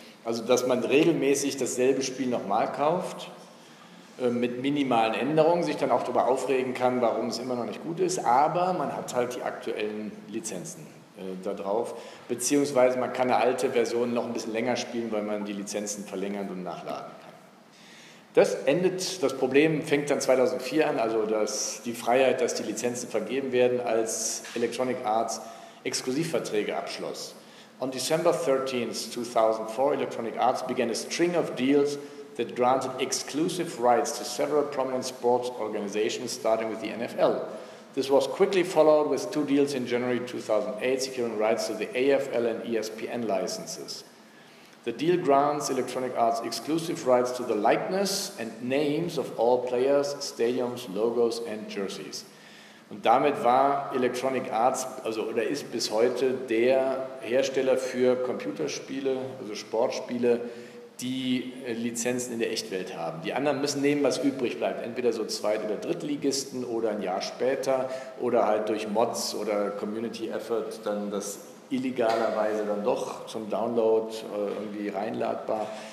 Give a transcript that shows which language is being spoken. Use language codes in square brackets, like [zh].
[de] Also dass man regelmäßig dasselbe Spiel nochmal kauft, mit minimalen Änderungen, sich dann auch darüber aufregen kann, warum es immer noch nicht gut ist, aber man hat halt die aktuellen Lizenzen da drauf, beziehungsweise man kann eine alte Version noch ein bisschen länger spielen, weil man die Lizenzen verlängern und nachladen kann. Das Problem fängt dann 2004 an, also dass die Freiheit, dass die Lizenzen vergeben werden, als Electronic Arts Exklusivverträge abschloss. [en] On December 13th, 2004, Electronic Arts began a string of deals that granted exclusive rights to several prominent sports organizations, starting with the NFL. This was quickly followed with two deals in January 2008, securing rights to the AFL and ESPN licenses. The deal grants Electronic Arts exclusive rights to the likeness and names of all players, stadiums, logos and jerseys. [de] Und damit war Electronic Arts, also oder ist bis heute, der Hersteller für Computerspiele, also Sportspiele, die Lizenzen in der Echtwelt haben. Die anderen müssen nehmen, was übrig bleibt. Entweder so Zweit- oder Drittligisten oder ein Jahr später oder halt durch Mods oder Community Effort dann das illegalerweise dann doch zum Download irgendwie reinladbar.